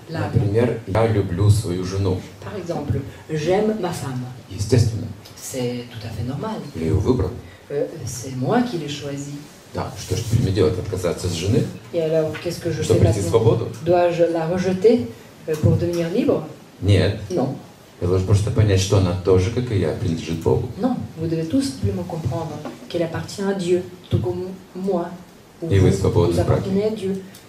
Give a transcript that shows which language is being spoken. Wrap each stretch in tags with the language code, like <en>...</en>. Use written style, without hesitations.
<ru>Например, я люблю свою жену.</ru> <fr>Par exemple, j'aime ma femme.</fr> <ru>Естественно.</ru> <fr>C'est tout à fait normal.</fr> <ru>Я ее выбрал.</ru> <fr>C'est moi qui l'ai choisi.</fr> <ru>Да, что ж теперь мне делать, отказаться от жены?</ru> <fr>Et alors, qu'est-ce que je fais maintenant? Dois-je la rejeter pour devenir libre?</fr> <ru>Нет.</ru> <fr>Non.</fr> <ru>Я должен просто понять, что она тоже, как и я, принадлежит Богу.</ru> <fr>Non, vous devez tout simplement comprendre qu'elle appartient à Dieu, tout comme moi.</fr> <ru>И вы свободны в браке.</ru> <fr>Vous appartenez à Dieu.</fr>